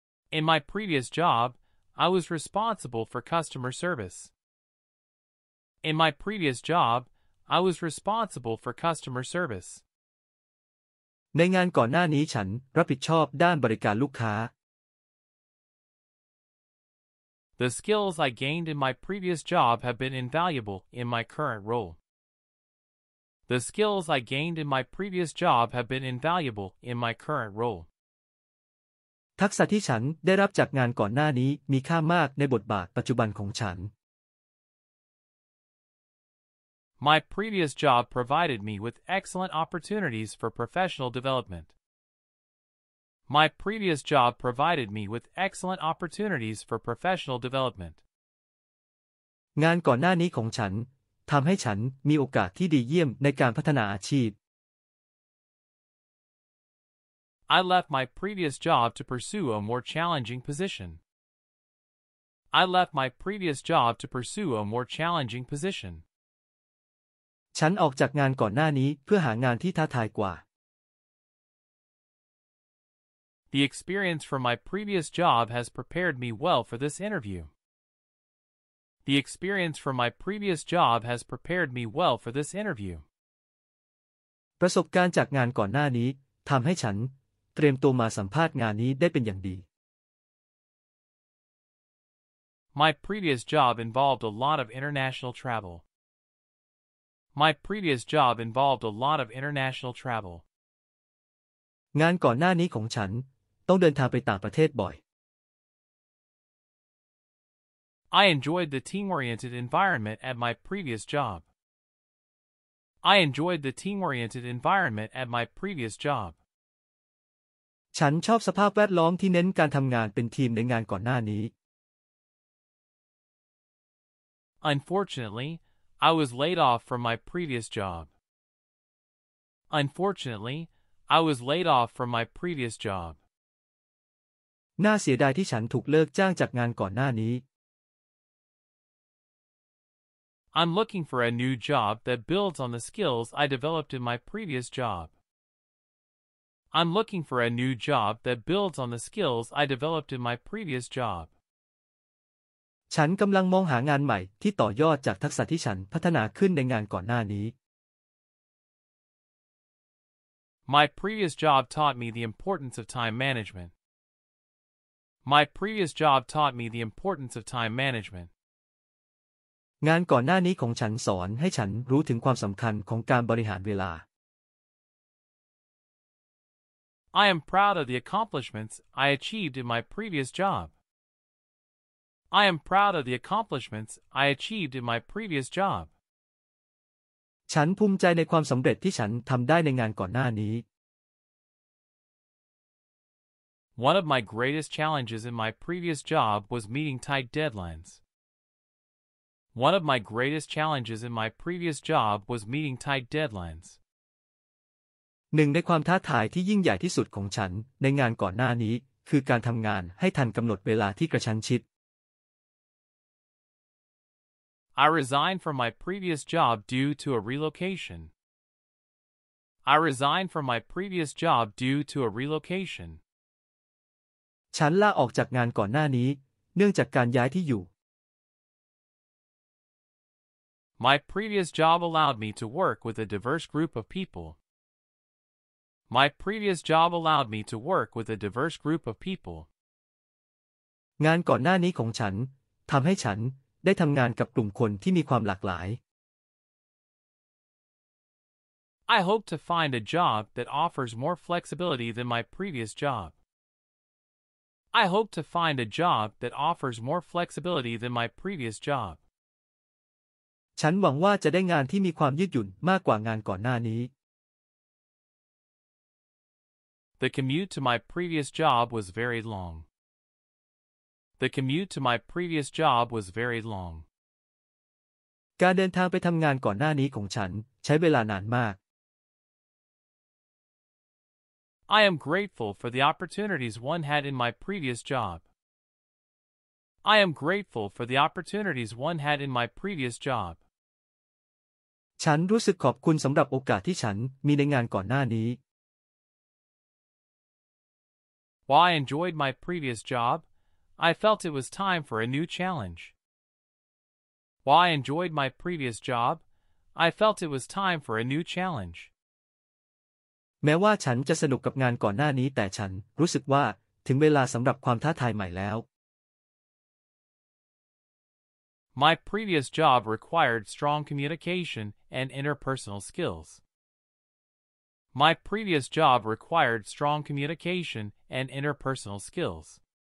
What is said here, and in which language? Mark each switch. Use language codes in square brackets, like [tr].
[en] In my previous job, I was responsible for customer service. In my previous job, I was responsible for customer service. [th] ในงานก่อนหน้านี้ฉันรับผิดชอบด้านบริการลูกค้า [en] The skills I gained in my previous job have been invaluable in my current role. The skills I gained in my previous job have been invaluable in my current role. [th] ทักษะที่ฉันได้รับจากงานก่อนหน้านี้มีค่ามากในบทบาทปัจจุบันของฉัน [en] My previous job provided me with excellent opportunities for professional development. My previous job provided me with excellent opportunities for professional development. [th] งานก่อนหน้านี้ของฉันทำให้ฉันมีโอกาสที่ดีเยี่ยมในการพัฒนาอาชีพ [en] I left my previous job to pursue a more challenging position. I left my previous job to pursue a more challenging position. [th] ฉันออกจากงานก่อนหน้านี้เพื่อหางานที่ท้าทายกว่า [en] The experience from my previous job has prepared me well for this interview. The experience from my previous job has prepared me well for this interview. [th] ประสบการณ์จากงานก่อนหน้านี้ทำให้ฉันเตรียมตัวมาสัมภาษณ์งานนี้ได้เป็นอย่างดี [en] My previous job involved a lot of international travel. My previous job involved a lot of international travel. [th] งานก่อนหน้านี้ของฉันต้องเดินทางไปต่างประเทศบ่อย [en] I enjoyed the team-oriented environment at my previous job. I enjoyed the team-oriented environment at my previous job. [th] ฉันชอบสภาพแวดล้อมที่เน้นการทำงานเป็นทีมในงานก่อนหน้านี้ [en] Unfortunately, I was laid off from my previous job. Unfortunately, I was laid off from my previous job. [th] น่าเสียดายที่ฉันถูกเลิกจ้างจากงานก่อนหน้านี้ [en] I'm looking for a new job that builds on the skills I developed in my previous job. I'm looking for a new job that builds on the skills I developed in my previous job. [th] ฉันกำลังมองหางานใหม่ที่ต่อยอดจากทักษะที่ฉันพัฒนาขึ้นในงานก่อนหน้านี้ [en] My previous job taught me the importance of time management. My previous job taught me the importance of time management. [th] งานก่อนหน้านี้ของฉันสอนให้ฉันรู้ถึงความสำคัญของการบริหารเวลา [en] I am proud of the accomplishments I achieved in my previous job. I am proud of the accomplishments I achieved in my previous job. [th] ฉันภูมิใจในความสำเร็จที่ฉันทำได้ในงานก่อนหน้านี้ [en] One of my greatest challenges in my previous job was meeting tight deadlines. One of my greatest challenges in my previous job was meeting tight deadlines. [th] หนึ่งในความท้าทายที่ยิ่งใหญ่ที่สุดของฉันในงานก่อนหน้านี้คือการทำงานให้ทันกำหนดเวลาที่กระชั้นชิด [en] I resigned from my previous job due to a relocation. I resigned from my previous job due to a relocation. [th] ฉันลาออกจากงานก่อนหน้านี้เนื่องจากการย้ายที่อยู่ [en] My previous job allowed me to work with a diverse group of people. My previous job allowed me to work with a diverse group of people. [th] งานก่อนหน้านี้ของฉันทำให้ฉันได้ทำงานกับกลุ่มคนที่มีความหลากหลาย [en] I hope to find a job that offers more flexibility than my previous job. I hope to find a job that offers more flexibility than my previous job. [th] ฉันหวังว่าจะได้งานที่มีความยืดหยุ่นมากกว่างานก่อนหน้านี้ [en] The commute to my previous job was very long. The commute to my previous job was very long. [th] การเดินทางไปทำงานก่อนหน้านี้ของฉันใช้เวลานานมาก [en] I am grateful for the opportunities one had in my previous job. I am grateful for the opportunities one had in my previous job. [th] ฉันรู้สึกขอบคุณสำหรับโอกาสที่ฉันมีในงานก่อนหน้านี้ [en] While I enjoyed my previous job, I felt it was time for a new challenge. While I enjoyed my previous job, I felt it was time for a new challenge. [th] แม้ว่าฉันจะสนุกกับงานก่อนหน้านี้แต่ฉันรู้สึกว่าถึงเวลาสำหรับความท้าทายใหม่แล้ว [en] My previous job required strong communication and interpersonal skills. My previous job required strong communication and interpersonal skills.